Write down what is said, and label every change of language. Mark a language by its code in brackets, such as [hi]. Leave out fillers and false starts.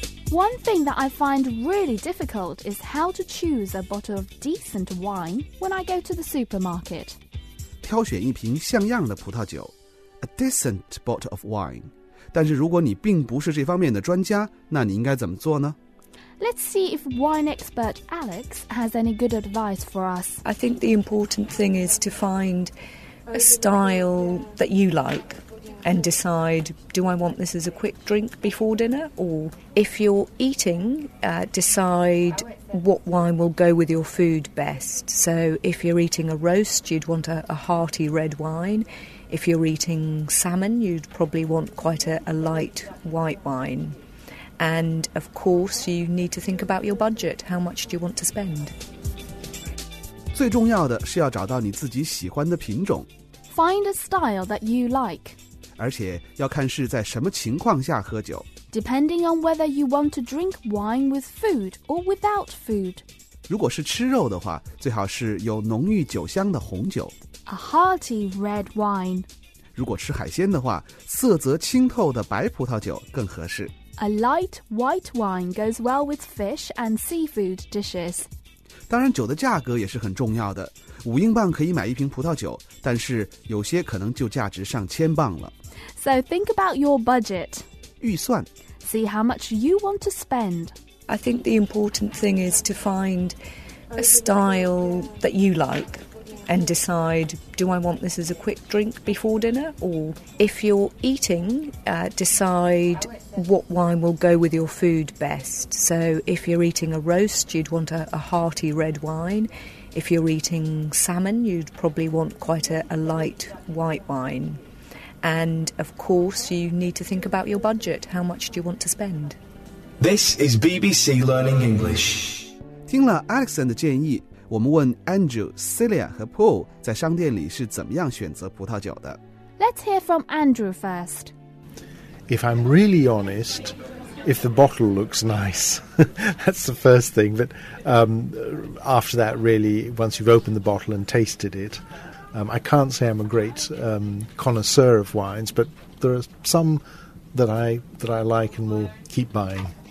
[en] One thing that I find really difficult is how to choose a bottle of decent wine when I go to the supermarket. [zh] 挑选一瓶像样的葡萄酒 [en] a decent bottle of wine. [zh] 但是如果你并不是这方面的专家，那你应该怎么做呢？ [en] Let's see if wine expert Alex has any good advice for us. I think the important thing is to find a style that you like and decide, do I want this as a quick drink before dinner? Or if you're eating, decide what wine will go with your food best. So if you're eating a roast, you'd want a hearty red wine. If you're eating salmon, you'd probably want quite a light white wine. And, of course, you need to think about your budget. How much do you want to spend? [zh] 最重要的是要找到你自己喜欢的品种。 [en] Find a style that you like. [zh] 而且要看是在什么情况下喝酒。 [en] Depending on whether you want to drink wine with food or without food. [zh] 如果是吃肉的话，最好是有浓郁酒香的红酒。 [en] A hearty red wine. [zh] 如果吃海鲜的话，色泽清透的白葡萄酒更合适。 [en] A light white wine goes well with fish and seafood dishes. [zh] 当然酒的价格也是很重要的。五英镑可以买一瓶葡萄酒，但是有些可能就价值上千镑了。 [en] So think about your budget. [zh] 预算。 [en] See how much you want to spend. I think the important thing is to find a style that you like. And decide, do I want this as a quick drink before dinner? Or if you're eating, decide what wine will go with your food best. So if you're eating a roast, you'd want a hearty red wine. If you're eating salmon, you'd probably want quite a light white wine. And of course, you need to think about your budget. How much do you want to spend? This is BBC Learning English. [zh] 听了 Alex 的建议。我们问 Andrew, Celia 和 Paul 在商店里是怎么样选择葡萄酒的。 [en] Let's hear from Andrew first. If I'm really honest, if the bottle looks nice, that's the first thing. But after that, really, once you've opened the bottle and tasted it, I can't say I'm a great connoisseur of wines, but there are some that I like and will keep buying.